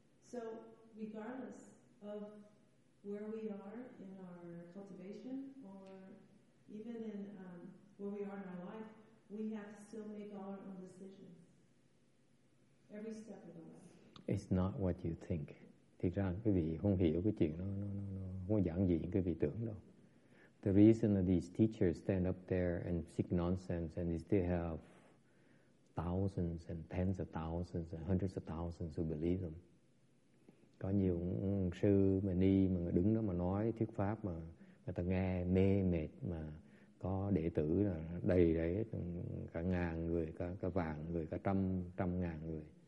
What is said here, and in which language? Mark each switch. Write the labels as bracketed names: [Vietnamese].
[English] So regardless of where we are in our cultivation or even in where we are in our life, we have to still make all our own decisions. Every step of the way. It's not what you think. [Vietnamese] Thì ra quý vị không hiểu cái chuyện nó không giản dị quý vị tưởng đâu. [English] The reason that these teachers stand up there and speak nonsense and they still have thousands and tens of thousands and hundreds of thousands who believe them. [Vietnamese] Có nhiều sư mà ni mà đứng đó mà nói thuyết pháp mà người ta nghe mê mệt, mà có đệ tử là đầy đấy, cả ngàn người, cả vạn người, cả trăm ngàn người.